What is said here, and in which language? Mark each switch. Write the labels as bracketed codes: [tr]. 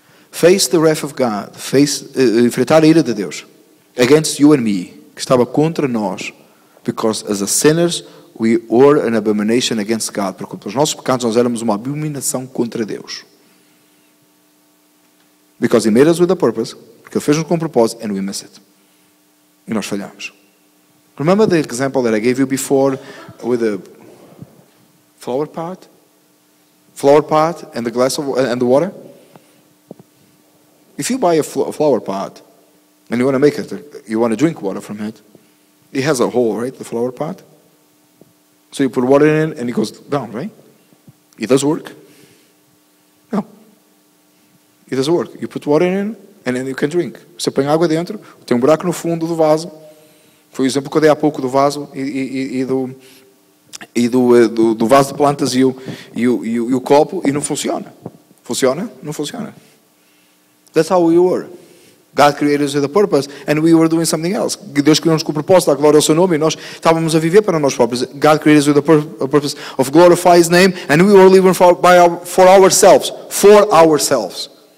[en] Face the wrath of God, [pt] enfrentar a ira de Deus, [en] against you and me, [pt] que estava contra nós, [en] because as a sinners, we were an abomination against God. [pt] Porque pelos nossos pecados nós éramos uma abominação contra Deus. [en] Because he made us with a purpose. [pt] Porque ele fez-nos com um propósito. [en] And we missed it. [pt] E nós falhámos. [en] Remember the example that I gave you before with the flower pot? Flower pot and the glass of and the water? If you buy a flower pot and you want to make it, you want to drink water from it, It has a hole, right? The flower pot. So you put water in it and it goes down, right? It does work. No. It doesn't work. You put water in it and then you can drink. [pt] Você põe água dentro, tem um buraco no fundo do vaso. Foi o exemplo que eu dei há pouco do vaso e do vaso de plantas e o copo e não funciona. Funciona? Não funciona. [en] That's how we were. God created us with a purpose and we were doing something else. [pt] Deus criou-nos com o propósito, a glória ao seu nome, e nós estávamos a viver para nós próprios. [en] God created us with a purpose of glorify his name and we were living for ourselves.